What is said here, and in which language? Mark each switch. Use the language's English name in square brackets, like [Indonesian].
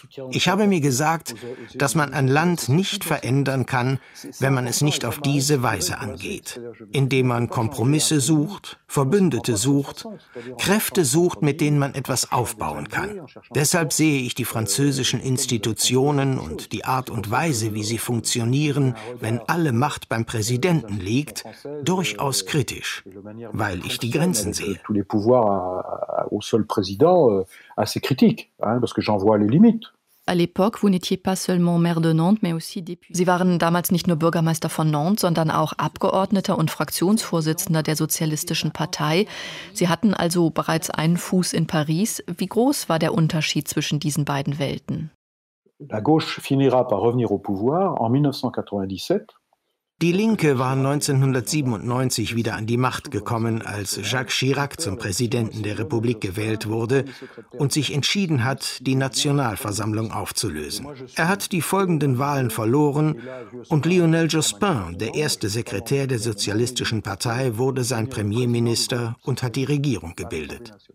[German] Ich habe mir gesagt, dass man ein Land nicht verändern kann, wenn man es nicht auf diese Weise angeht, indem man Kompromisse sucht, Verbündete sucht, Kräfte sucht, mit denen man etwas aufbauen kann. Deshalb sehe ich die französischen Institutionen und die Art und Weise, wie sie funktionieren, wenn alle Macht beim Präsidenten liegt, durchaus kritisch, weil ich die Grenzen sehe. [French] Au seul président, assez critique, hein, parce que j'en vois les limites. À l'époque, vous n'étiez pas seulement maire de Nantes, mais aussi député. [German] Sie waren damals nicht nur Bürgermeister von Nantes, sondern auch Abgeordneter und Fraktionsvorsitzender der Sozialistischen Partei. Sie hatten also bereits einen Fuß in Paris. Wie groß war der Unterschied zwischen diesen beiden Welten? [French] La gauche finira par revenir au pouvoir en 1997. [German] Die Linke war 1997 wieder an die Macht gekommen, als Jacques Chirac zum Präsidenten der Republik gewählt wurde und sich entschieden hat, die Nationalversammlung aufzulösen. Er hat die folgenden Wahlen verloren und Lionel Jospin, der erste Sekretär der Sozialistischen Partei, wurde sein Premierminister und hat die Regierung gebildet.